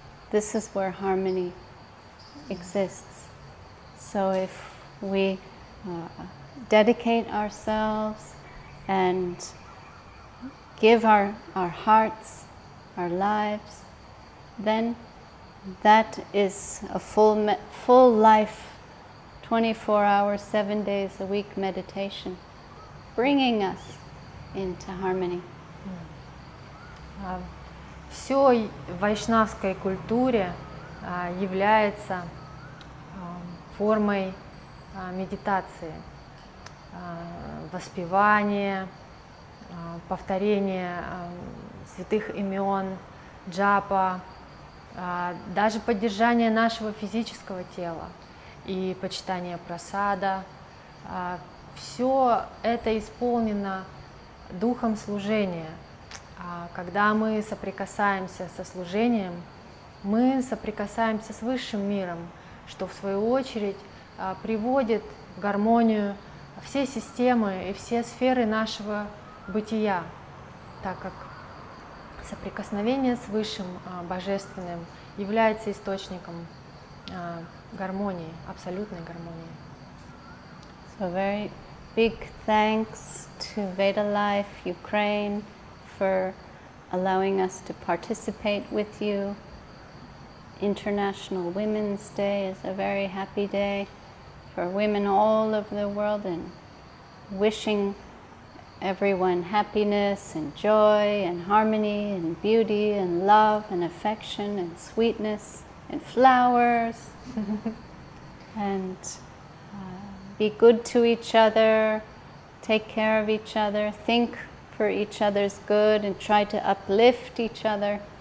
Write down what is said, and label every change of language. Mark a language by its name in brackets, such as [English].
[English] This is where harmony exists. So if we dedicate ourselves and give our hearts, our lives, then that is a full life, 24 hours, 7 days a week meditation, bringing us into harmony. [Russian] Все в вайшнавской культуре является формой медитации, воспевания, повторения святых имен, джапа, даже поддержание нашего физического тела и почитание прасада. Все это исполнено духом служения. Когда мы соприкасаемся со служением, мы соприкасаемся с высшим миром, что в свою очередь приводит в гармонию все системы и все сферы нашего бытия, так как соприкосновение с высшим божественным является источником гармонии, абсолютной гармонии. [English] So very big thanks to Veda Life Ukraine for allowing us to participate with you. International Women's Day is a very happy day for women all over the world, and wishing everyone happiness and joy and harmony and beauty and love and affection and sweetness and flowers and be good to each other, take care of each other, think for each other's good and try to uplift each other.